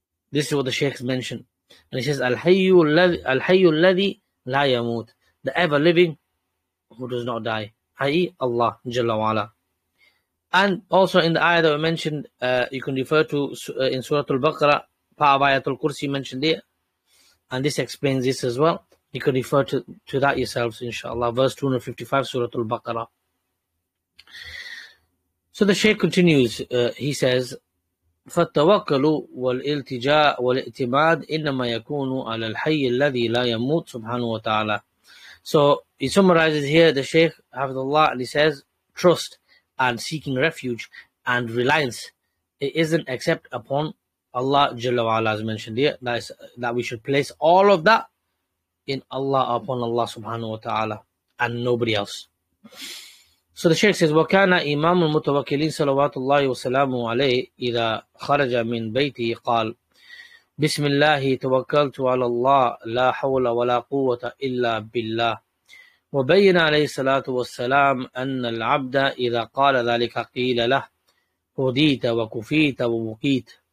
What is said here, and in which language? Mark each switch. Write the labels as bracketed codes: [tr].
[en] This is what the Shaykh mentioned. And he says, [ar] Al-Hayyu Alladhi La Yamut, [en] the ever living who does not die, i.e. Allah Jalla wa Ala. And also in the ayah that we mentioned, you can refer to in Surah Al-Baqarah, part of Ayatul Kursi mentioned there. And this explains this as well. You can refer to that yourselves, inshallah. Verse 255, Surah Al-Baqarah. So the Shaykh continues, he says, [ar] فَالتَّوَكَّلُ وَالْإِلْتِجَاءُ وَالْإِتِمَادُ إِنَّمَا يَكُونُ عَلَى الْحَيِّ الَّذِي لَا يَمُوتُ سُبْحَانُهُ وَتَعَالَى. [en] So he summarizes here, the Shaykh, Hafidhullah, and he says, trust and seeking refuge and reliance, it isn't except upon Allah Jalla wa Ala, as mentioned here, that we should place all of that in Allah, upon Allah subhanahu wa ta'ala, and nobody else. So the Shaykh says, [ar] وَكَانَ إِمَامُ الْمُتَوَكِّلِينَ صَلَوَاتُ اللَّهِ وَسَلَامُهُ عَلَيْهِ إِذَا خَرَجَ مِنْ بَيْتِهِ قَالْ بِسْمِ اللَّهِ تَوَكَّلْتُ عَلَى اللَّهِ لَا حَوْلَ وَلَا قُوَّةَ إِلَّا بِاللَّهِ. وبين عليه الصلاة والسلام أن العبد إذا قال ذلك قيل له هديت وكفيت ووقيت.